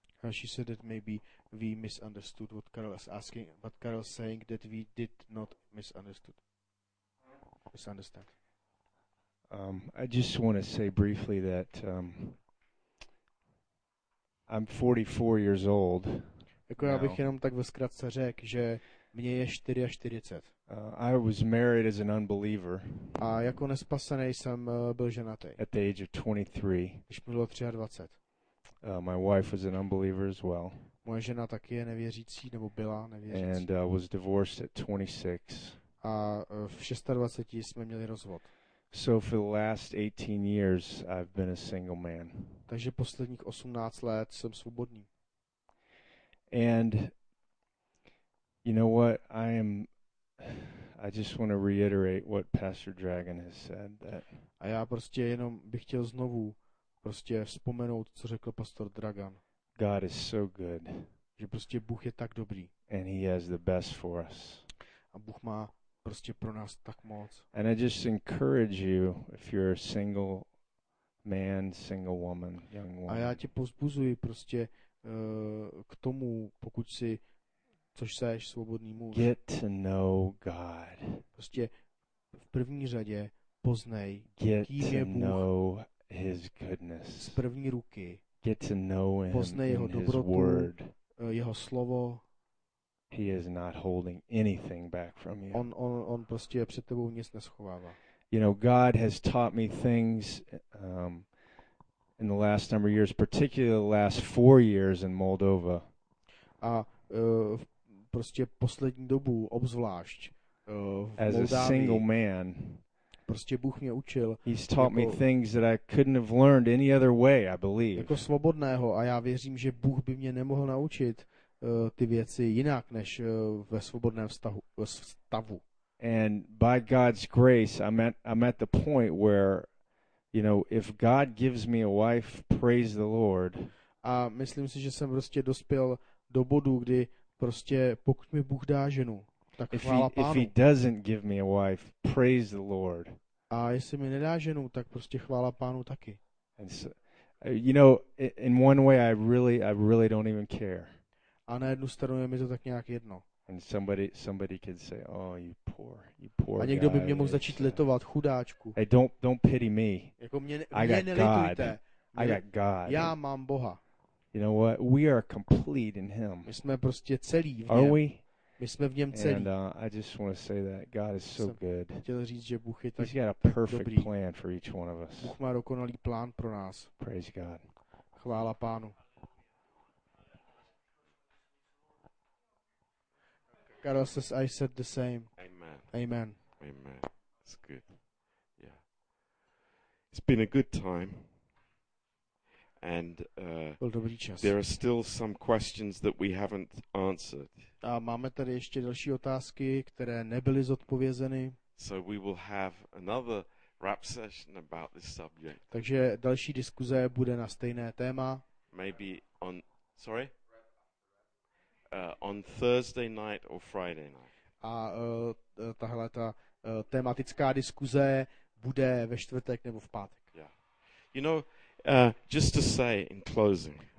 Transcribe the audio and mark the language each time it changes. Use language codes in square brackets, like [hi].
[en] She said that maybe we misunderstood what Carol is asking, but Carol is saying that we did not misunderstand. I just want to say briefly that I'm 44 years old. [cs] Jako já bych jenom tak ve zkratce řek, že mně je 44. [en] I was married as an unbeliever. [cs] A jako nespasený jsem byl ženatý. [en] At the age of 23. [cs] Když bylo 23. [en] My wife was an unbeliever as well. [cs] Moje žena taky je nevěřící, nebo byla nevěřící. [en] And was divorced at 26. [cs] A v 26 jsme měli rozvod. [en] So for the last 18 years I've been a single man. [cs] Takže posledních 18 let jsem svobodný. [en] And you know what? I just want to reiterate what Pastor Dragon has said that. [cs] A já prostě jenom bych chtěl znovu prostě vzpomenout, co řekl pastor Dragan. [en] God is so good. [cs] Že prostě Bůh je tak dobrý. [en] And he has the best for us. [cs] A Bůh má prostě pro nás tak moc. [en] And I just encourage you, if you're a single man, single woman, young woman. [cs] A já tě povzbuzuji prostě k tomu, pokud jsi, což seš, svobodný muž. [en] Get to know God. [cs] Prostě v první řadě poznej, [en] get [cs] kým je Bůh. [en] Know His goodness. [cs] Z první ruky. [en] Get to know him. [cs] Poznej jeho dobrotu, [en] his word. [cs] Jeho slovo. [en] He is not holding anything back from you. [cs] On prostě před tebou nic neschovává. [en] You know, God has taught me things in the last number of years, particularly the last 4 years in Moldova. [cs] A prostě poslední dobu obzvlášť v [en] As [cs] Moldávii. [en] A single man. [cs] Prostě Bůh mě učil. [en] He's taught me things that I couldn't have learned any other way, I believe. [cs] Jako svobodného, a já věřím, že Bůh by mě nemohl naučit ty věci jinak než ve svobodném stavu. [en] And by God's grace, I'm at the point where, you know, if God gives me a wife, praise the Lord. [cs] A myslím si, že jsem prostě dospěl do bodu, kdy prostě pokud mi Bůh dá ženu, tak chvála Pánu. [en] If he doesn't give me a wife, praise the Lord. [cs] A jestli mi nedá ženu, tak prostě chvála Pánu taky. [en] And so, you know, in one way I really don't even care. [cs] A na jednu stranu je mi to tak nějak jedno. [en] And somebody can say, oh, you poor [cs] A někdo [en] guy, [cs] by mě mohl začít litovat, chudáčku. [en] Hey, don't pity me. [cs] Jako mě nelitujte. [en] God. I got God. [cs] Já mám Boha. [en] You know what? We are complete in him. [cs] My jsme prostě celí v něm. [en] Are we? [cs] My jsme v něm celí. [en] And I just want to say that God is so good. [cs] Chtěl říct, že Bůh je tak dobrý. [en] He's got a perfect plan for each one of us. [cs] Bůh má dokonalý plán pro nás. [en] Praise God. [cs] Chvála Pánu. [en] Carlos says, I said the same. Amen. Amen. Amen. It's good. Yeah. It's been a good time. And there are still some questions that we haven't answered. [cs] A máme tady ještě další otázky, které nebyly zodpovězeny. [en] So we will have another rap session about this subject. [cs] Takže další diskuze bude na stejné téma. [en] Maybe on, sorry? On Thursday night or Friday night. [cs] A tahle ta tematická diskuze bude ve čtvrtek nebo v pátek. [en] Yeah. You know, just to say in closing.